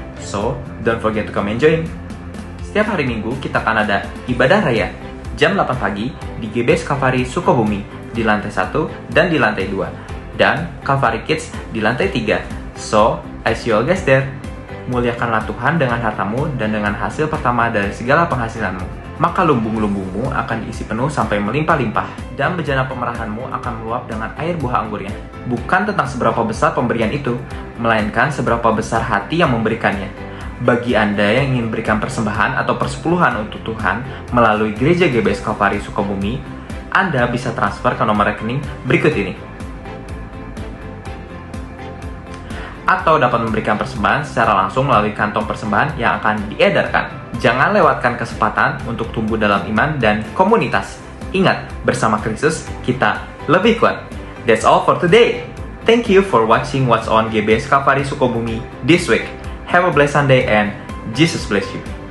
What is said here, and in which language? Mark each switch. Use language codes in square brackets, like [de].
[en] So, don't forget to come and join. [id] Setiap hari Minggu kita akan ada ibadah raya jam 8 pagi di GBS Calvary Sukabumi di lantai 1 dan di lantai 2. Dan Calvary Kids di lantai 3. [en] So, I see you all guys there. [id] Muliakanlah Tuhan dengan hartamu dan dengan hasil pertama dari segala penghasilanmu. Maka lumbung-lumbungmu akan diisi penuh sampai melimpah-limpah. Dan bejana pemerahanmu akan meluap dengan air buah anggurnya. Bukan tentang seberapa besar pemberian itu, melainkan seberapa besar hati yang memberikannya. Bagi Anda yang ingin berikan persembahan atau persepuluhan untuk Tuhan melalui gereja GBS Calvary Sukabumi, Anda bisa transfer ke nomor rekening berikut ini. Atau dapat memberikan persembahan secara langsung melalui kantong persembahan yang akan diedarkan. Jangan lewatkan kesempatan untuk tumbuh dalam iman dan komunitas. Ingat, bersama Kristus kita lebih kuat. That's all for today. [en] Thank you for watching What's on GBS Calvary Sukabumi this week. Have a blessed Sunday and Jesus bless you.